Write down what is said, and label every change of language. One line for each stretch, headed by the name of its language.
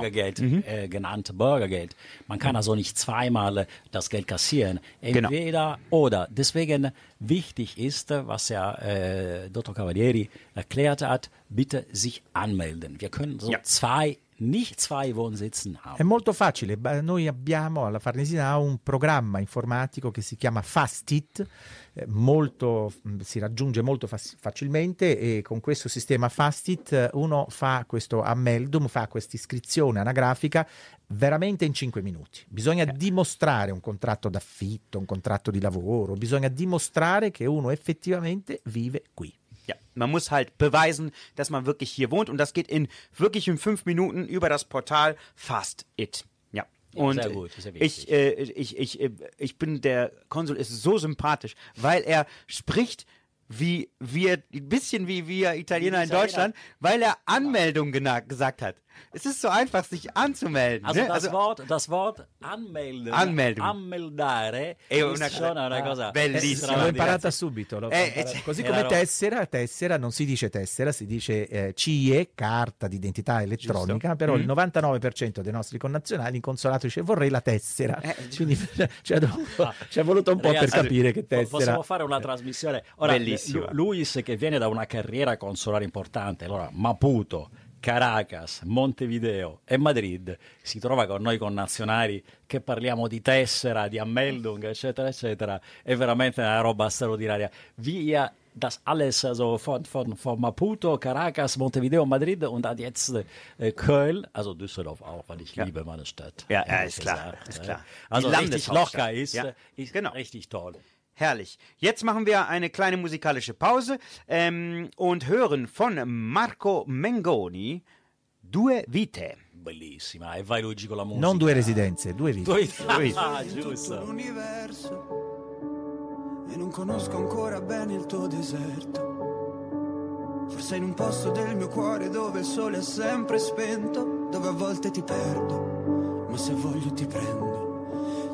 German: Bürgergeld, genannt Bürgergeld. Man kann also nicht zweimal das Geld kassieren. Entweder oder. Deswegen wichtig ist, was ja Dr. Cavalieri erklärt hat, bitte sich anmelden. Wir können so zwei nicht zwei Wohnsitzen haben.
Italian: È molto facile. Noi abbiamo alla Farnesina un programma informatico che si chiama FastIt, molto, si raggiunge molto facilmente, e con questo sistema FastIt uno fa questo ammeldum, fa questa iscrizione anagrafica veramente in 5 minuti. Bisogna dimostrare un contratto d'affitto, un contratto di lavoro, bisogna dimostrare che uno effettivamente vive qui.
German: Ja, man muss halt beweisen, dass man wirklich hier wohnt, und das geht in wirklich in 5 Minuten über das Portal FastIt. Ja, und sehr gut, sehr ich bin der Konsul ist so sympathisch, weil er spricht wie wir, ein bisschen wie wir Italiener in Deutschland, weil er Anmeldung gesagt hat. Es ist so einfach, sich anzumelden. Also, ne? das Wort anmelden. Anmeldung.
Italian: Ammeldare
German: ist schon
Italian: una cosa bellissima. L'ho imparata subito. Così come tessera non si dice tessera, si dice CIE, carta d'identità elettronica. Giusto. Però il 99% dei nostri connazionali in consolato dice vorrei la tessera. Quindi c'è voluto un po', ragazzi, per capire che tessera. Possiamo fare una trasmissione. Ora, bellissima. Luis, che viene da una carriera consolare importante, allora Maputo, Caracas, Montevideo e Madrid, si trova con noi connazionali che parliamo di tessera, di ammeldung, eccetera, eccetera. È veramente una roba straordinaria.
German: Via das alles, also von Maputo, Caracas, Montevideo, Madrid und dann jetzt Köln, also Düsseldorf auch, weil ich liebe meine Stadt. Ja, ja, ist klar, ist klar. Also richtig locker ist, ist richtig toll. Herrlich. Jetzt machen wir eine kleine musikalische Pause und hören von Marco Mengoni Due Vite.
Italian: Bellissima. E vai Luigi con la musica. Non due residenze, due vite. Giusto. L'universo. E non conosco ancora bene il tuo deserto. Forse in un posto del mio cuore dove il sole è sempre spento, dove a volte ti perdo, ma se voglio ti prendo.